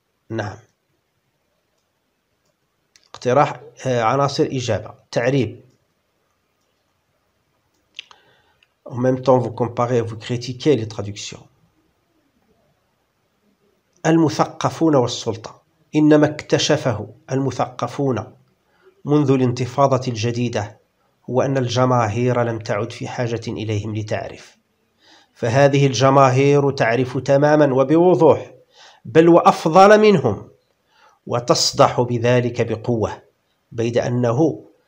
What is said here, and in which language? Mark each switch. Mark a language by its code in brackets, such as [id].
[ar] نعم، اقتراح عناصر إجابة، تعريب. [fr] En même temps, vous comparez, vous critiquez les traductions. [ar] المثقفون والسلطة. إنما اكتشفه المثقفون منذ الانتفاضة الجديدة هو أن الجماهير لم تعد في حاجة إليهم لتعرف، فهذه الجماهير تعرف تماما وبوضوح، بل وأفضل منهم، وتصدح بذلك بقوة، بيد أنه